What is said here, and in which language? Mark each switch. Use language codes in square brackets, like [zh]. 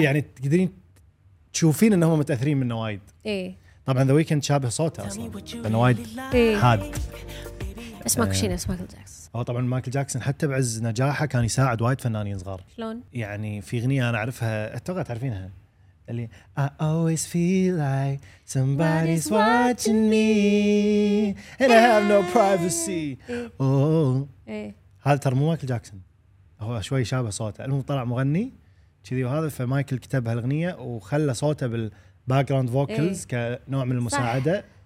[ar] يعني تقدرين تشوفين انهم متاثرين منه وايد ايه طبعا ذا ويكند شابه صوته اصلا لانه وايد حاد بس ماكو شيء نفس مايكل جاكسون. هو طبعا مايكل جاكسون حتى بعز نجاحه كان يساعد وايد فنانين صغار شلون يعني في اغنيه انا اعرفها اتوقع تعرفينها اللي [en] I always feel like somebody's watching me and I have no privacy. [ar] إيه. هذا ترى مو مايكل جاكسون هو شوي شابه صوته المهم طلع مغني كذي وهذا فمايكل كتب هالغنية وخلى صوته بالباكراوند فوكلز كنوع من المساعدة صح.